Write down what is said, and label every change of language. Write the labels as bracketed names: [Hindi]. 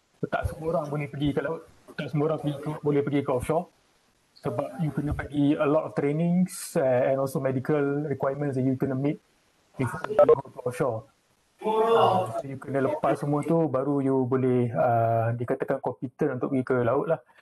[Malay] Tak semua orang boleh pergi ke laut, tak semua orang boleh pergi ke offshore. [English] Sebab you kena pergi a lot of trainings and also medical requirements that you kena meet before you go to offshore. [Malay] So you kena lepas semua tu, baru you boleh dikatakan competent untuk pergi ke laut lah.